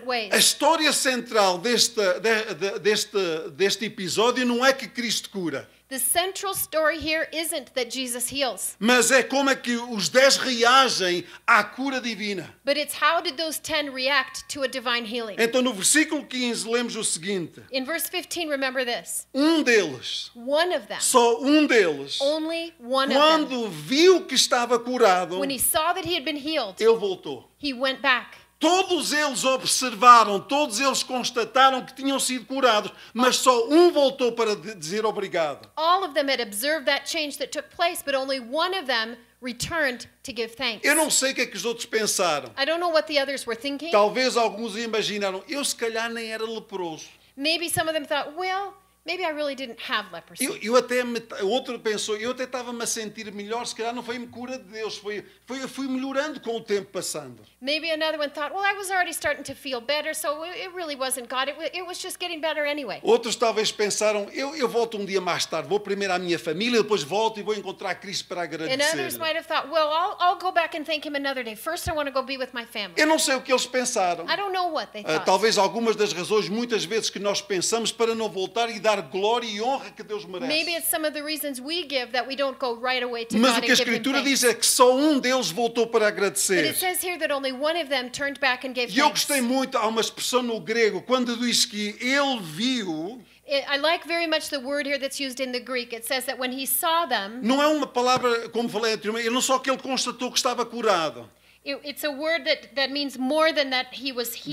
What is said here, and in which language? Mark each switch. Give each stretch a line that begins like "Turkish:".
Portuguese: A história central deste episódio não é que Cristo cura.
English: The central story here isn't that Jesus heals.
Portuguese: Mas é como é que os 10 reagem à cura divina.
English: But it's how did those 10 react to a divine healing?
Portuguese: Então no versículo 15 lemos o seguinte.
English: In verse 15, remember this.
Portuguese: Um deles.
English: One of them.
Portuguese: Só um deles.
English: Only one
Portuguese: quando
English: of them.
Portuguese: Viu que estava curado.
English: When he saw that he had been healed.
Portuguese: Ele voltou.
English: He went back.
Portuguese: Todos eles observaram, todos eles constataram que tinham sido curados, mas só um voltou para dizer obrigado.
English: All of them had observed that change that took place, but only one of them returned to give thanks.
Portuguese: Eu não sei o que é que os outros pensaram.
English: I don't know what the others were thinking.
Portuguese: Talvez alguns imaginaram, eu se calhar nem era leproso.
English: Maybe some of them thought, well, maybe I really didn't have leprosy.
Portuguese: Outro pensou, eu até estava-me a sentir melhor, se calhar não foi-me cura de Deus, fui melhorando com o tempo passando.
English: Maybe another one thought, well, I was already starting to feel better, so it really wasn't God, it was just getting better anyway.
Portuguese: Outros talvez pensaram, eu volto um dia mais tarde, vou primeiro à minha família, depois volto e vou encontrar Cristo para agradecer.
English: And others might have thought, well, I'll go back and thank him another day. First I want to go be with my family.
Portuguese: Eu não sei o que eles pensaram.
English: I don't know what they thought.
Portuguese: Talvez algumas das razões, muitas vezes, que nós pensamos para não voltar e dar glória e honra que Deus merece.
English: Maybe it's some of the reasons we give that we don't go right away to God.
Portuguese: Mas o que a Escritura diz é que só um deles voltou para agradecer.
English: But it says here that only one of them turned back and gave thanks.
Portuguese: E eu gostei muito, há uma expressão no grego quando diz que ele viu.
English: I like very much the word here that's used in the Greek. It says that when he saw them.
Portuguese: Não é uma palavra como falei anteriormente, não só que ele constatou que estava curado.
English: It's a word that means more than that he was healed.